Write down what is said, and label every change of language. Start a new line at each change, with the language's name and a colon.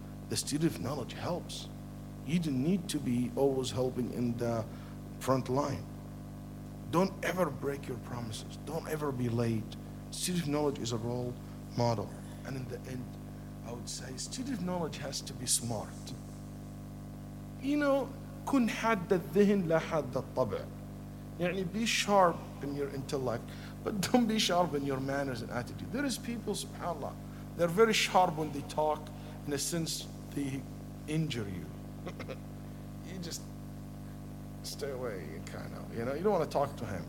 English: The student of knowledge helps. You don't need to be always helping in the front line. Don't ever break your promises. Don't ever be late. Student of knowledge is a role model. And in the end, I would say student of knowledge has to be smart. You know,
Arabic: كن حد الذهن لا حد الطبع.
English: يعني be sharp in your intellect, but don't be sharp in your manners and attitude. There is people, subhanAllah, they're very sharp when they talk, in a sense they injure you. You just stay away, kind of. You know, you don't want to talk to him.